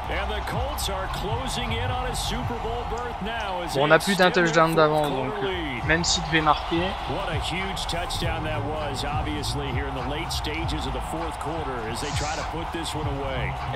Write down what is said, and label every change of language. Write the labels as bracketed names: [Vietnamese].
[English] And the Colts are closing in on a Super Bowl berth now. [French] Bon, on a plus d'un touchdown d'avant, donc même s'il devait marquer. [English] What a huge touchdown that was, obviously, here in the late stages of the fourth quarter as they try to put this one away.